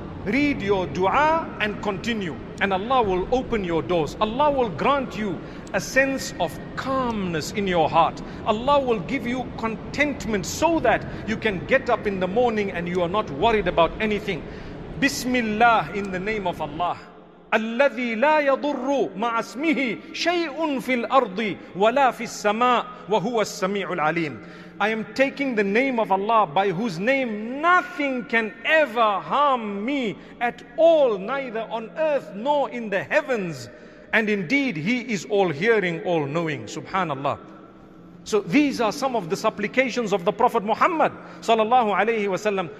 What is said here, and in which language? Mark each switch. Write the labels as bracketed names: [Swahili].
[English] Read your dua and continue. And Allah will open your doors. Allah will grant you a sense of calmness in your heart. Allah will give you contentment so that you can get up in the morning and you are not worried about anything. Bismillah, in the name of Allah. [Arabic] الذي لا يضر مع اسمه شيء في الأرض ولا في السماء وهو السميع العليم. [English] I am taking the name of Allah, by whose name nothing can ever harm me at all, neither on earth nor in the heavens, and indeed He is all hearing, all knowing. Subhanallah. So these are some of the supplications of the Prophet Muhammad sallallahu alayhi wasallam.